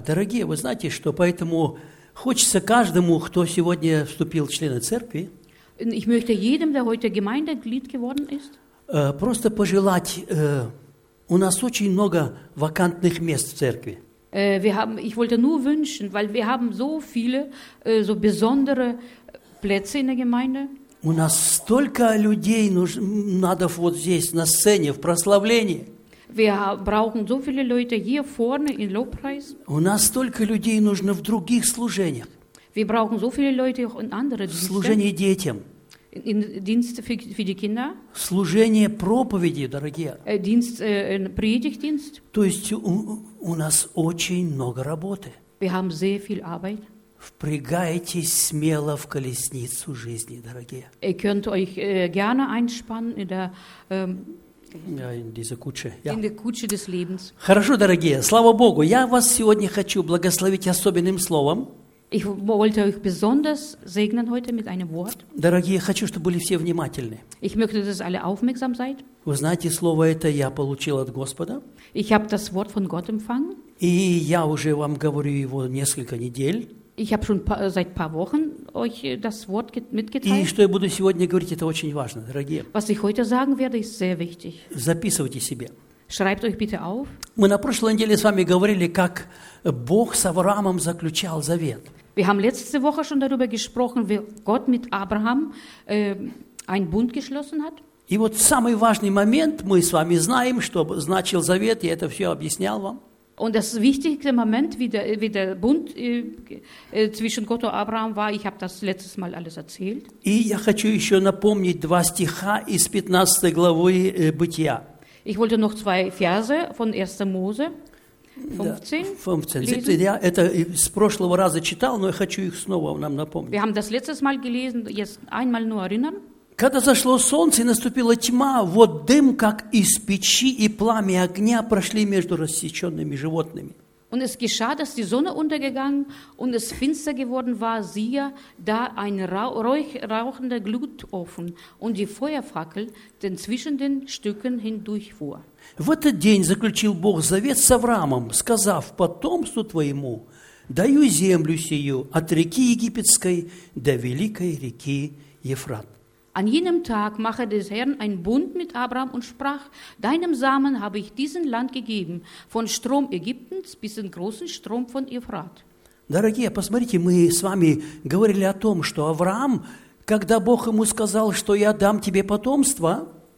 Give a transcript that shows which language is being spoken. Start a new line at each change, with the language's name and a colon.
Russian: дорогие, вы знаете, что поэтому хочется каждому, кто сегодня вступил в члены церкви,
German: ich möchte jedem, der heute Gemeindeglied geworden ist,
Russian: просто пожелать, у нас очень много вакантных мест в церкви.
German: Wir haben, ich wollte nur wünschen, weil wir haben so viele, so besondere Plätze in der Gemeinde.
Russian: У нас столько людей надо вот здесь, на сцене, в прославлении.
German: Wir brauchen so viele Leute hier vorne in Lobpreis.
Russian: У нас столько людей нужно в других служениях.
German: Wir brauchen so viele Leute auch in anderen Diensten.
Russian: В служении детям.
German: In Dienste für die Kinder.
Russian: Служение проповеди, дорогие.
German: Dienst, Predigtdienst.
Russian: То есть у нас очень много работы.
German: Wir haben sehr viel Arbeit.
Russian: Впрягайтесь смело в колесницу жизни, дорогие.
German: Ihr könnt euch gerne einspannen in der In der Kutsche des Lebens.
Russian: Хорошо, дорогие, слава Богу. Я вас сегодня хочу благословить особенным словом.
German: Ich wollte euch besonders segnen heute mit einem Wort.
Russian: Дорогие, хочу, чтобы были все внимательны.
German: Ich möchte, dass alle aufmerksam seid.
Russian: Вы знаете, слово это я получил от Господа.
German: Ich habe das Wort von Gott empfangen.
Russian: И я уже вам говорю его несколько недель.
German: Ich habe schon seit ein paar Wochen euch das Wort mitgeteilt.
Russian: И что я буду сегодня говорить, это очень важно, дорогие.
German: Was ich heute sagen werde, ist sehr wichtig.
Russian: Записывайте себе.
German: Schreibt euch bitte auf.
Russian: Мы на прошлой неделе с вами говорили, как Бог с Авраамом заключал завет.
German: Wir haben letzte Woche schon darüber gesprochen, wie Gott mit Abraham einen Bund geschlossen hat.
Russian: И вот самый важный момент, мы с вами знаем, что значил завет, я это все объяснял вам.
German: Und das wichtigste Moment, wie der Bund zwischen Gott und Abraham war, ich habe das letztes Mal alles erzählt.
Russian: И я хочу еще напомнить два стиха из 15 главы Бытия.
German: Ich wollte noch zwei Verse von 1. Mose 15.
Russian: Да, 15.
German: Lesen.
Russian: Я это с прошлого раза читал, но я хочу их снова нам напомнить.
German: Wir haben das letztes Mal gelesen, jetzt einmal nur erinnern.
Russian: Когда зашло солнце и наступила тьма, вот дым, как из печи, и пламя огня прошли между рассеченными животными.
German: Und es geschah, dass die Sonne untergegangen und es finster geworden war, siehe, da ein rauchender Glutofen und die Feuerfackel denn zwischen den Stücken hindurchfuhr.
Russian: В этот день заключил Бог завет с Авраамом, сказав потомству твоему, даю землю сию от реки Египетской до великой реки Евфрат.
German: An jenem Tag mache des Herrn einen Bund mit Abraham und sprach, deinem Samen habe ich diesen Land gegeben, von Strom Ägyptens bis in großen Strom von Euphrat.
Russian: Дорогие, посмотрите, мы с вами говорили о том, что Авраам, когда Бог ему сказал, что я дам тебе потомство,